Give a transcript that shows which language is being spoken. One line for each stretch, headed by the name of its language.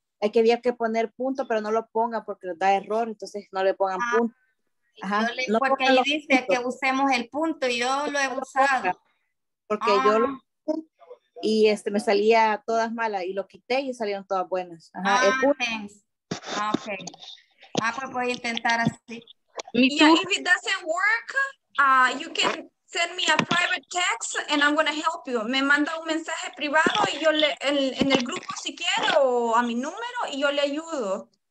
Spanish: Aquí había que poner punto, pero no lo pongan porque da error, entonces no le pongan punto. Ajá. No porque ahí dice puntos. Que usemos el punto y yo lo he usado. Porque yo lo y me salía todas malas y lo quité y salieron todas buenas. Ajá. El punto. Thanks. Okay. Pues voy a intentar así.
English: ¿Y yeah, if it doesn't work, you can send me a private text and I'm gonna help you.
Spanish: Me manda un mensaje privado y yo le en el grupo si quiero o a mi número y yo le ayudo.